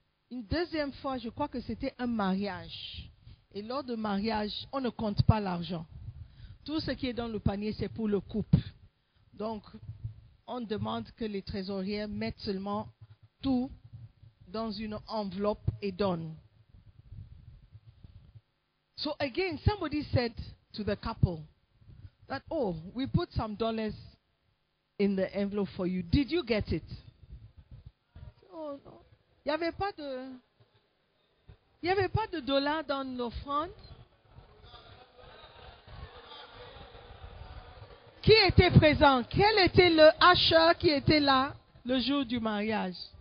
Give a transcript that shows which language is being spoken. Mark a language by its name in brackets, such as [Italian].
[French] Une deuxième fois, je crois que c'était un mariage. Et lors de mariage, on ne compte pas l'argent. Tout ce qui est dans le panier, c'est pour le couple. Donc, on demande que les trésorières mettent seulement tout dans une enveloppe et donnent. [English] So again, somebody said to the couple that, oh, we put some dollars in the envelope for you. Did you get it? Oh, no. [French] Il n'y avait pas de dollars dans l'offrande. Qui était présent? Quel était le hacheur qui était là le jour du mariage?